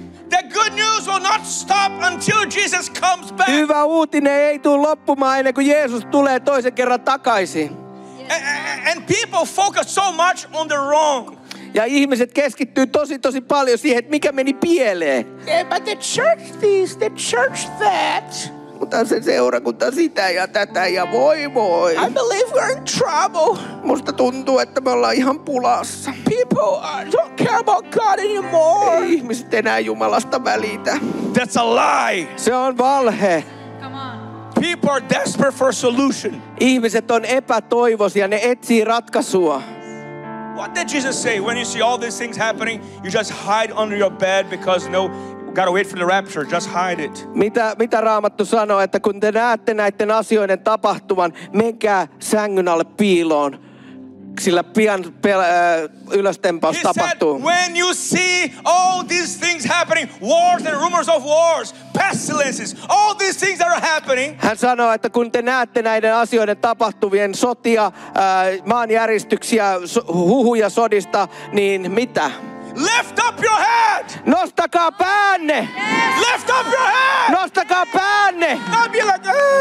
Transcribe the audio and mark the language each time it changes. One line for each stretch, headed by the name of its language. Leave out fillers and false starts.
English: The good news will not stop until Jesus comes back.
Finnish: Hyvä uutinen ei tule loppumaan ennen kuin Jeesus tulee toisen kerran takaisin.
English: And people focus so much on the wrong.
Finnish: Ja ihmiset keskittyy tosi paljon siihen, että mikä meni pieleen.
English: Yeah, but the church this, the church that.
Finnish: Mutta se seurakunta sitä ja tätä ja voi voi.
English: I believe we're in trouble.
Finnish: Musta tuntuu, että me ollaan ihan pulassa.
English: People don't care about God anymore.
Finnish: Ei ihmiset enää Jumalasta välitä.
English: That's a lie.
Finnish: Se on valhe.
English: Come on. People are desperate for a solution.
Finnish: Ihmiset on epätoivoisia, ne etsii ratkaisua.
English: What did Jesus say when you see all these things happening? You just hide under your bed because no. Gotta wait for the rapture. Just hide it.
Finnish: Mitä Raamattu sanoo, että kun te näette näiden asioiden tapahtuman, menkää sängyn alle piiloon, sillä pian ylöstempaus tapahtuu.
English: When you see all these things happening, wars and rumors of wars, pestilences, all these things that are happening.
Finnish: Hän sanoo, että kun te näette näiden asioiden tapahtuvien sotia, maanjäristyksiä, huhuja sodista, niin mitä?
English: Lift up your head.
Finnish: Nostakaa päänne.
English: Yes. Lift up your head.
Finnish: Nostakaa päänne.
English: Be like,